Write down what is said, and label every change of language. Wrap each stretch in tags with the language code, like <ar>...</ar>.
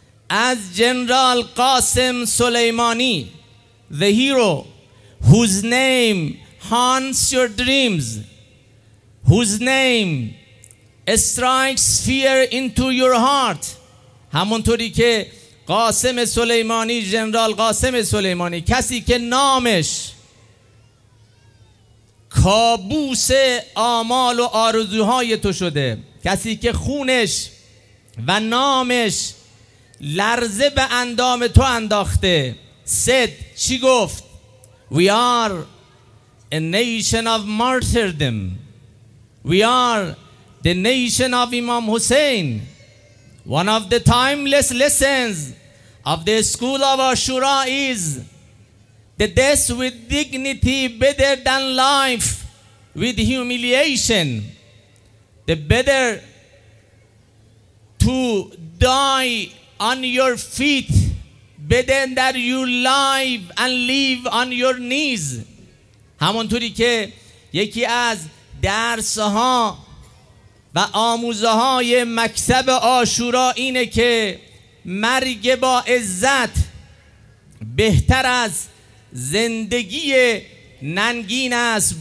<en>As General Qasim Soleimani, the hero whose name haunts your dreams, whose name strikes fear into your heart.</en> <fa>همونطوری که قاسم سلیمانی، جنرال قاسم سلیمانی، کسی که نامش کابوس آمال و آرزوهای تو شده، کسی که خونش و نامش لرزه به اندام تو انداخته، سد چی گفت؟</fa> <en>We are a nation of martyrdom. We are the nation of Imam Hussein. One of the timeless lessons of the school of Ashura is the death with dignity better than life with humiliation. The better to die on your feet better than you live and live on your knees.</en> <fa>همونطوری که یکی از درسها و آموزه‌های مکتب عاشورا اینه که مرگ با عزت بهتر از زندگی ننگین است.</fa>